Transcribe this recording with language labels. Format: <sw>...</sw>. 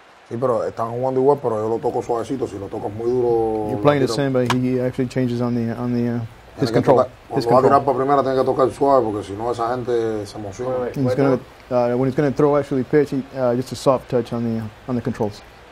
<es>Sí, pero están jugando igual, pero yo lo toco suavecito. Si lo toco muy duro...</es> <en>You're playing the same, but he actually changes on his control.</en> <es>Cuando va a tirar para primera, tiene que tocar suave, porque si no, esa gente se emociona.</es> <en>When he's going to throw, actually pitch, just a soft touch on the controls.</en>